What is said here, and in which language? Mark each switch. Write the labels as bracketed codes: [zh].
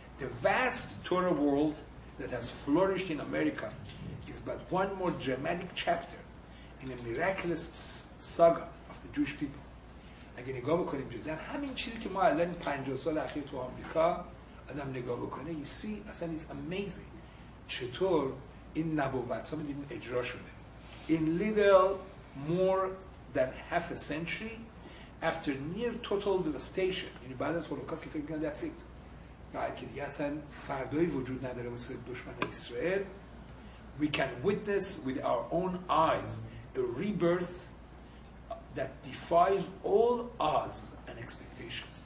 [en] The vast Torah world that has flourished in America is but one more dramatic chapter in a miraculous saga of the Jewish people. [fa] اگه نگاه بکنیم جدن همین چیزی که ما الان 50 سال اخیر تو آمریکا آدم نگاه بکنه [en] you see [fa] اصلا [en] it's amazing [fa] چطور این نبوت ها میدیم اجرا شده. [en] In little more than half a century, after near total devastation, in the battle of Holocaust, if you can, that's it. Right? Because yes, and [fa] فردای وجود نداره مثل دشمن اسرائیل. [en] We can witness with our own eyes a rebirth that defies all odds and expectations.